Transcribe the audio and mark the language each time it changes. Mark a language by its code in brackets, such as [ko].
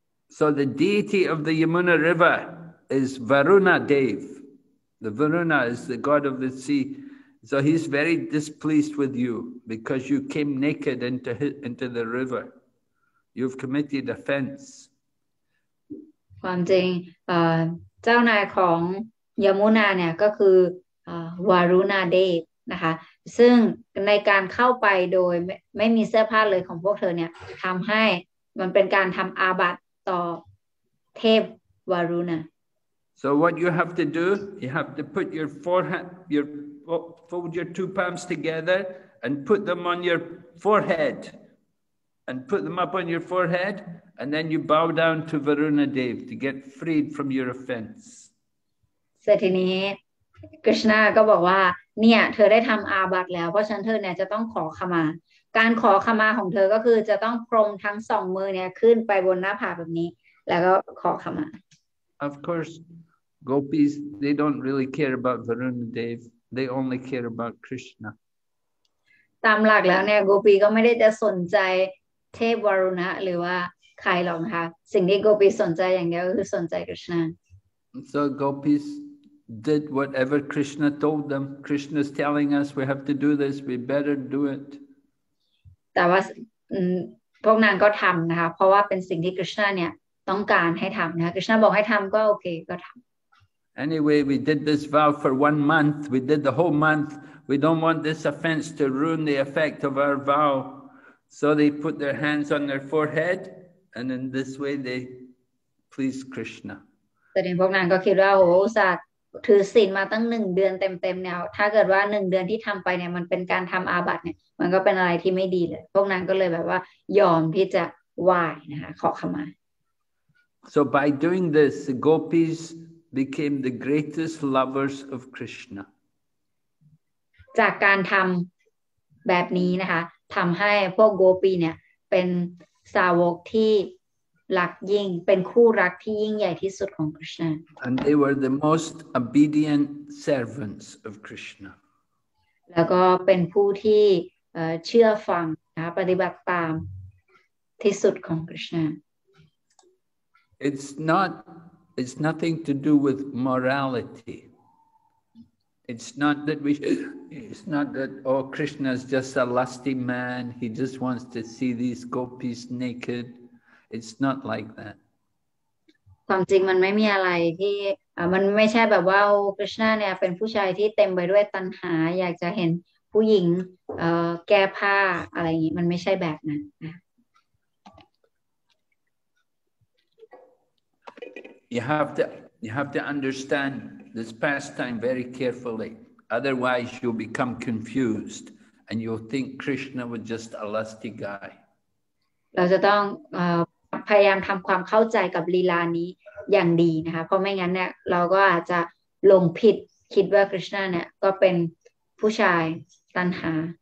[en] So the deity of the Yamuna River is Varuna Dev. The Varuna is the god of the sea. So he's very displeased with you because you came naked into the river. You've committed offense. [th] ความจริงเจ้านายของยมุนาเนี่ยก็คือวารุณาเดฟนะคะซึ่งในการเข้าไปโดยไม่มีเสื้อผ้าเลยของพวกเธอเนี่ยทำให้มันเป็นการทำอาบัติต่อเทพวารุณา [en] So what you have to do, you have to put your forehead, your... Fold your two palms together and put them on your forehead and put them up on your forehead and then you bow down to Varuna Dev to get freed from your offense. [th] So, ทีนี้ Krishna ก็บอกว่าเนี่ยเธอได้ทำอาบัติแล้วเพราะฉะนั้นเธอเนี่ยจะต้องขอขมาการขอขมาของเธอก็คือจะต้องพรมทั้งสองมือเนี่ยขึ้นไปบนหน้าผากแบบนี้แล้วก็ขอขมา [en] Of course, gopis, they don't really care about Varuna Dev. They only care about Krishna. [th] ตามหลักแล้วเนี่ยโกปีก็ไม่ได้จะสนใจเทพวารุณะหรือว่าใครหรอกนะคะสิ่งที่โกปีสนใจอย่างเดียวคือสนใจ Krishna. [en] So gopis did whatever Krishna told them. Krishna's telling us we have to do this. We better do it. [th] แต่ว่าพวกนางก็ทำนะคะเพราะว่าเป็นสิ่งที่ Krishna เนี่ยต้องการให้ทำนะ Krishna บอกให้ทำก็โอเคก็ทำ [en] Anyway, we did this vow for 1 month. We did the whole month. We don't want this offense to ruin the effect of our vow. So they put their hands on their forehead, and in this way, they please Krishna. [th] แต่พวกนางก็คิดว่าโอ้โหสัตว์ถือศีลมาตั้ง1 เดือนเต็มๆเนี่ยถ้าเกิดว่า1 เดือนที่ทำไปเนี่ยมันเป็นการทำอาบัติเนี่ยมันก็เป็นอะไรที่ไม่ดีเลยพวกนางก็เลยแบบว่ายอมที่จะไหว้นะคะขอขมา [en] So by doing this, the gopis. Became the greatest lovers of Krishna. [th] จากการทำแบบนี้นะคะทำให้พวกโกปีเนี่ยเป็นสาวกที่รักยิ่งเป็นคู่รักที่ยิ่งใหญ่ที่สุดของ Krishna. [en] And they were the most obedient servants of Krishna. [th] แล้วก็เป็นผู้ที่เชื่อฟังนะปฏิบัติตามที่สุดของ Krishna. [en] It's nothing to do with morality. It's not that oh, Krishna is just a lusty man. He just wants to see these gopis naked. It's not like that. [th] ความจริงมันไม่มีอะไรที่มันไม่ใช่แบบว่าโอ้ Krishna เนี่ยเป็นผู้ชายที่เต็มไปด้วยตัณหาอยากจะเห็นผู้หญิงแก้ผ้าอะไรอย่างนี้มันไม่ใช่แบบนั้น [en] You have to understand this pastime very carefully. Otherwise, you'll become confused and you'll think Krishna was just a lusty guy. [th] เราจะต้องพยายามทำความเข้าใจกับลีลานี้อย่างดีนะคะเพราะไม่งั้นเนี่ยเราก็อาจจะหลงผิดคิดว่า Krishna เนี่ยก็เป็นผู้ชายตัณหา